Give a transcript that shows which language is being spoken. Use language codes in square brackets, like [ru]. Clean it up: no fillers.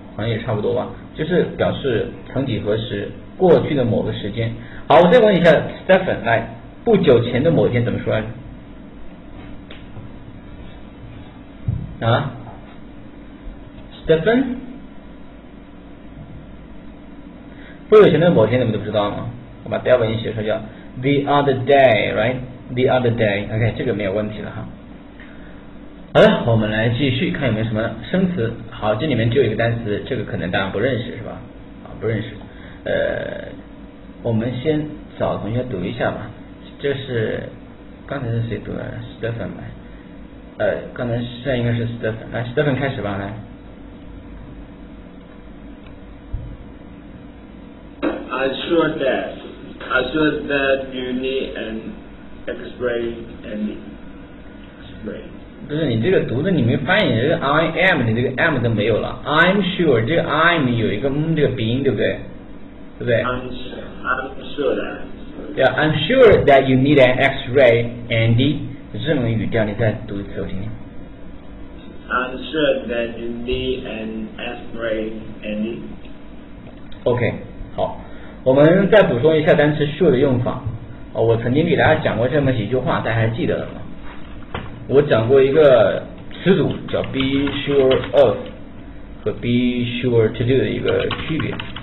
[zh] 好像也差不多吧，就是表示曾几何时，过去的某个时间。好，我再问一下 Stephen， 来，不久前的某一天怎么说来着？啊 ，Stephen， 不久前的某天你们都不知道吗？我把 Devin 一写出来叫 the other day， right？ the other day， OK， 这个没有问题了哈。好的，我们来继续看有没有什么生词。好，这里面只有一个单词，这个可能大家不认识是吧？啊，不认识。我们先找同学读一下吧。这是刚才是谁读的 ？Stephen 吧。刚才现在应该是 Stephen， 来 Stephen 开始吧，来。 [en] I'm sure that you need an X-ray and spray。 [zh] 不是你这个读的，你没发现你这个 I am，你这个 M 都没有了。 I'm sure，这个 I'm 有一个这个鼻音，对不对？对不对 [en] ？I'm sure that。 Yeah， I'm sure that you need an X-ray， Andy。 [zh] 这种语调，你再读一次我听听。 [en] I'm sure that you need an X-ray, Andy. [zh] OK， 好，我们再补充一下单词 sure 的用法。哦，我曾经给大家讲过这么几句话，大家还记得了吗？我讲过一个词组叫 be sure of 和 be sure to do 的一个区别。